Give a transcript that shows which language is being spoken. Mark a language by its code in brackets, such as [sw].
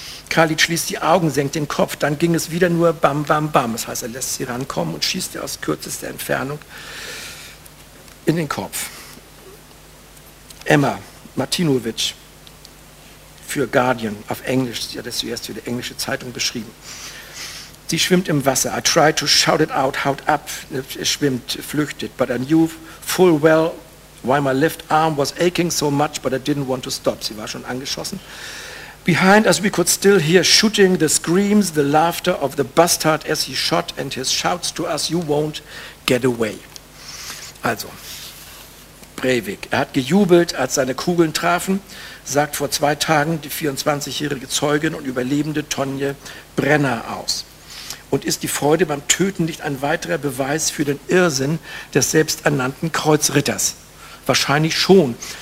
[de] Khalid schließt die Augen, senkt den Kopf, dann ging es wieder nur bam, bam, bam. Das heißt, er lässt sie rankommen und schießt ihr aus kürzester Entfernung in den Kopf. Emma Martinovic für Guardian auf Englisch, sie hat das zuerst für die englische Zeitung beschrieben. Sie schwimmt im Wasser. [en] I try to shout it out, [de] haut ab, schwimmt, flüchtet, [en] but I knew full well why my left arm was aching so much, but I didn't want to stop. [de] Sie war schon angeschossen. [en] Behind us we could still hear shooting, the screams, the laughter of the bastard as he shot and his shouts to us, you won't get away. [de] Also, Breivik. Er hat gejubelt, als seine Kugeln trafen, sagt vor zwei Tagen die 24-jährige Zeugin und Überlebende Tonje Brenner aus. Und ist die Freude beim Töten nicht ein weiterer Beweis für den Irrsinn des selbsternannten Kreuzritters? Wahrscheinlich schon.